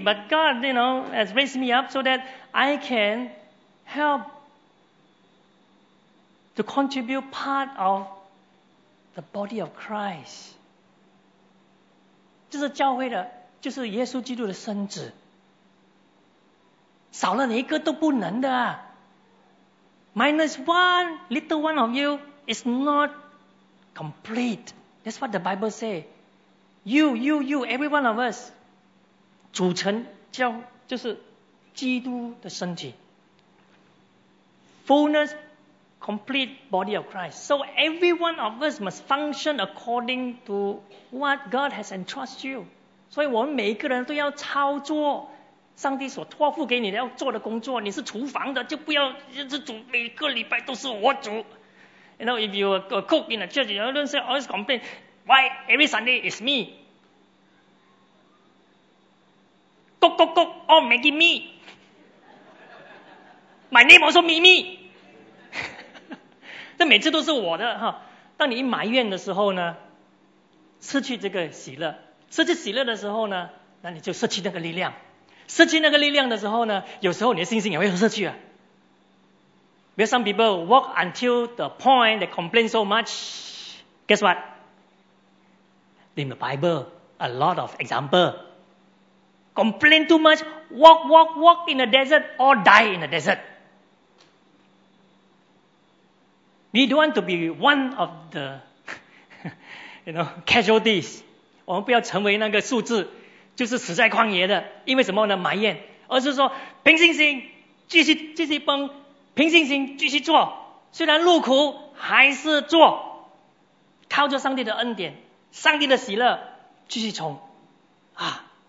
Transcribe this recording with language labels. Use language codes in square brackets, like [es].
[en] But God, you know, has raised me up so that I can help to contribute part of the body of Christ. [zh] 就是教会的，就是耶稣基督的身子。少了你一个都不能的。 [en] Minus one, little one of you, is not complete. That's what the Bible say. You, every one of us, [zh] 组成叫就是基督的身体。 [en] Fullness, complete body of Christ. So every one of us must function according to what God has entrusted you. [zh] 所以我们每一个人都要操作上帝所托付给你的要做的工作。你是厨房的，就不要一直煮，每个礼拜都是我煮。 [en] You know, if you cook in a church, you don't say, always complain, why every Sunday is me? Cook, cook, cook, all making me. My name also me. [zh] 这每次都是我的哈。当你一埋怨的时候呢，失去这个喜乐，失去喜乐的时候呢，那你就失去那个力量。失去那个力量的时候呢，有时候你的信心也会失去啊。 [en] Because some people walk until the point they complain so much. Guess what? In the Bible, a lot of example. Complain too much, walk, walk, walk in the desert or die in the desert. We don't want to be one of the, you know, casualties. [zh] 我们不要成为那个数字，就是死在旷野的，因为什么呢？埋怨，而是说凭信心继续崩。凭信心继续做，虽然路苦还是做，靠着上帝的恩典，上帝的喜乐继续冲啊！